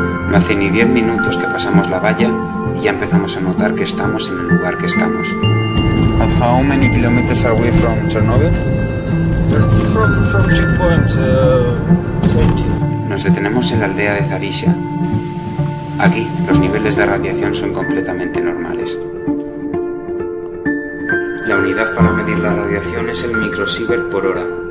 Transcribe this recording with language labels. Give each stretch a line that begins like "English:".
Spanish: No hace ni 10 minutos que pasamos la valla y ya empezamos a notar que estamos en el lugar que estamos.
English: How many kilometers are we from Chernobyl? from checkpoint 20.
Spanish: Nos detenemos en la aldea de Zarisha. Aquí, los niveles de radiación son completamente normales. La unidad para medir la radiación es el microsievert por hora.